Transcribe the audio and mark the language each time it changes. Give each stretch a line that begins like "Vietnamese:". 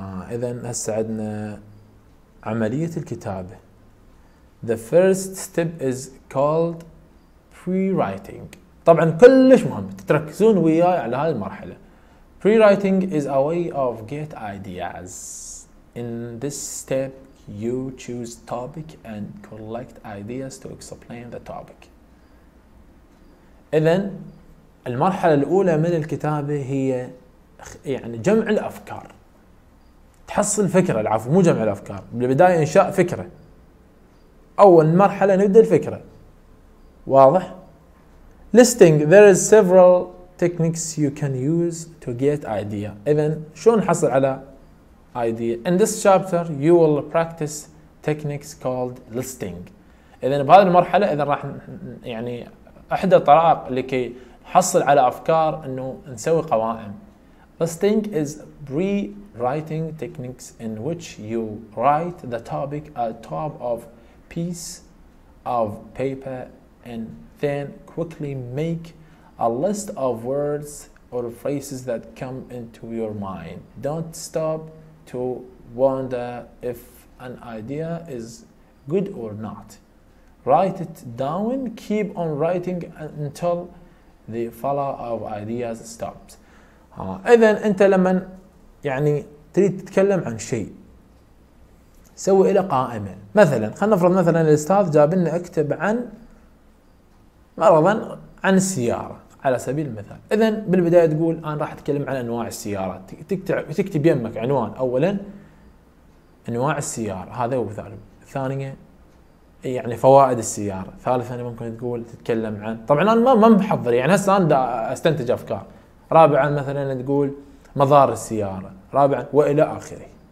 Arabic: إذن هساعدنا عملية الكتابة.
English: The first step is called pre-writing.
Arabic: طبعا كلش مهم تتركزون وياي على هذه المرحلة.
English: Pre-writing is a way of get ideas. In this step you choose topic and collect ideas to explain the topic.
Arabic: إذن المرحلة الأولى من الكتابة هي يعني جمع الأفكار، تحصل فكرة. العفو مو جمع الأفكار، بالبداية إنشاء فكرة. أول مرحلة نبدأ الفكرة. واضح؟
English: listing there is several techniques you can use to get idea.
Arabic: إذن شلون نحصل على
English: idea؟ in this chapter you will practice techniques called listing.
Arabic: إذن بهذه المرحلة إذن راح يعني أحد الطرق لكي نحصل على أفكار إنه نسوي قوائم.
English: Listing is pre-writing techniques in which you write the topic at top of piece of paper and then quickly make a list of words or phrases that come into your mind. Don't stop to wonder if an idea is good or not. Write it down. Keep on writing until the flow of ideas stops.
Arabic: اذا انت لما يعني تريد تتكلم عن شيء سوي له قائمه. مثلا خلينا نفرض مثلا الاستاذ جاب لنا اكتب عن مرضا عن السياره على سبيل المثال. اذا بالبدايه تقول انا راح اتكلم عن انواع السيارات، تكتب يمك عنوان اولا انواع السياره هذا هو مثال، ثانيه يعني فوائد السياره، ثالثا ممكن تقول تتكلم عن طبعا انا ما محضر يعني هسه انا استنتج افكار، رابعا مثلا تقول مضار السيارة، رابعا وإلى آخره.